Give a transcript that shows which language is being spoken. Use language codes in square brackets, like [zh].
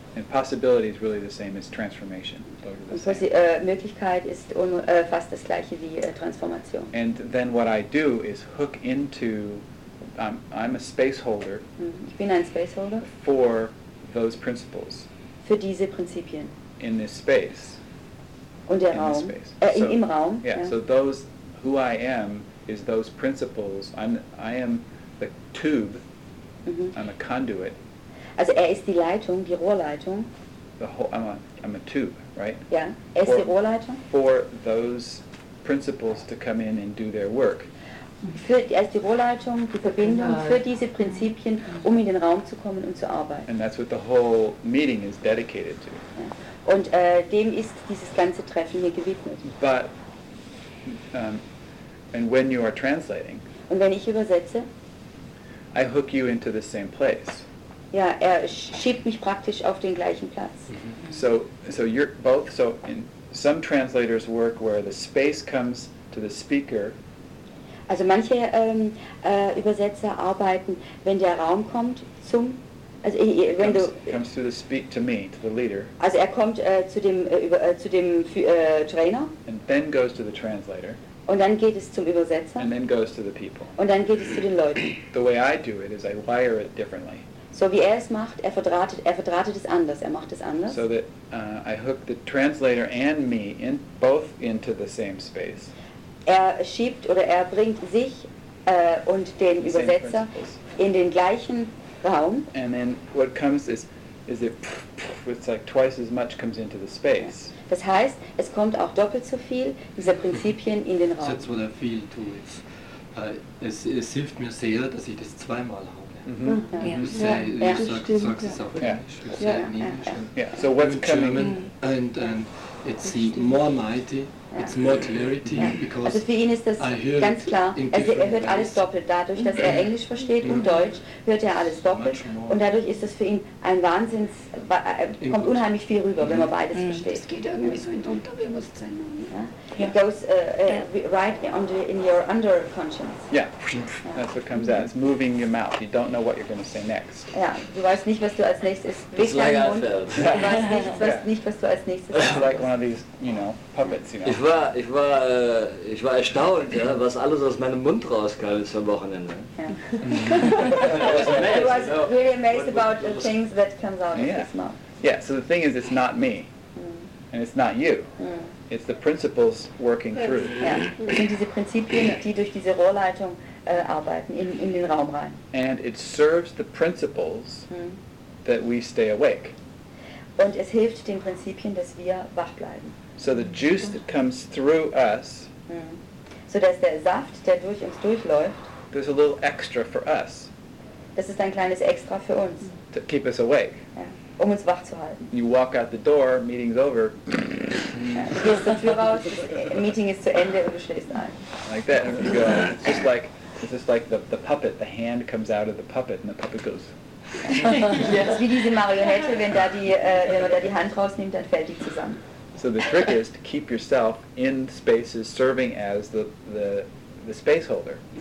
[en] And possibility is really the same as transformation. [de] Und was, Möglichkeit ist fast das gleiche wie Transformation. [en] And then what I do is hook into, I'm a space holder. [de] Ich bin ein space holder. [en] For those principles. [de] Für diese Prinzipien. [en] In this space. [de] Und der Raum. Im Raum. [en] Yeah, so those, who I am, is those principles. I am the tube. Mm-hmm. I'm a conduit. [de] Also ist die Leitung, die Rohrleitung. [en] The whole, I'm a tube, right? [de] Yeah, ist die Rohrleitung. [en] For those principles to come in and do their work. [de] Er ist die Rohrleitung, die Verbindung für diese Prinzipien, um in den Raum zu kommen und zu arbeiten. [en] And that's what the whole meeting is dedicated to. Yeah. [de] Und dem ist dieses ganze Treffen hier gewidmet. [en] But, and when you are translating, [de] und wenn ich übersetze, [en] I hook you into the same place. [de] Ja, er schiebt mich praktisch auf den gleichen Platz. Mm-hmm. [en] So you're both, so in some translators work where the space comes to the speaker. [de] Also manche Übersetzer arbeiten, wenn der Raum kommt zum, also wenn [en] comes, [de] du [en] comes to the speak to me, to the leader. [de] Also er kommt zu dem Trainer. [en] And then goes to the translator. [de] Und dann geht es zum Übersetzer. [en] And then goes to the people. [de] Und dann geht es zu den Leuten. [en] The way I do it is I wire it differently. [de] So wie er es macht, er verdrahtet es anders, er macht es anders. [en] So that I hook the translator and me in both into the same space. [de] Er schiebt oder er bringt sich und den Übersetzer in den gleichen Raum. [en] And then what comes is it pff, it's like twice as much comes into the space. Yeah. [de] Das heißt, es kommt auch doppelt so viel dieser Prinzipien in den Raum. [en] That's what I feel too. [de] Es hilft mir sehr, dass ich das zweimal habe. Mm-hmm. [en] Yeah. You say, you [de] sagst es auf Englisch, [en] you say it in English. So what's coming in? And it's more mighty, it's more clarity, because [de] also für ihn ist das ganz klar, er hört alles doppelt, dadurch, dass er Englisch versteht und Deutsch, hört er alles doppelt und dadurch ist das für ihn ein Wahnsinns, kommt unheimlich viel rüber, wenn man beides versteht. Das geht irgendwie so in Unterbewusstsein. [en] It goes right in your underconscious. That's what comes out. It's moving your mouth. You don't know what you're going to say next. [de] Yeah, du weißt nicht, was du als nächstes bist. [en] It's like I felt. [de] Du weißt nicht, was du als nächstes bist. [en] It's like one of these, you know, puppets, you know. [de] Ich war erstaunt, ja, was alles aus meinem Mund rauskam ist am Wochenende. [en] Yeah. I was really amazed about the things that comes out of his mouth. Yeah, so the thing is, it's not me. And it's not you. It's the principles working through. [de] Es sind diese Prinzipien, die durch diese Rohrleitung arbeiten, in den Raum rein. [en] And it serves the principles that we stay awake. [de] Und es hilft den Prinzipien, dass wir wach bleiben. [en] So the juice that comes through us, [de] so dass der Saft, der durch uns durchläuft, [en] there's a little extra for us. [de] Das ist ein kleines Extra für uns. [en] To keep us awake. [de] Um uns wach zu halten. [en] You walk out the door, meeting's over. Meeting is to end, and you [de] schließt ein. [en] Like that, and you go. It's just like the puppet. The hand comes out of the puppet, and the puppet goes. Yes. [de] Wie diese Marionette, wenn man da die Hand rausnimmt, dann fällt die zusammen. [en] So the trick is to keep yourself in spaces serving as the space holder.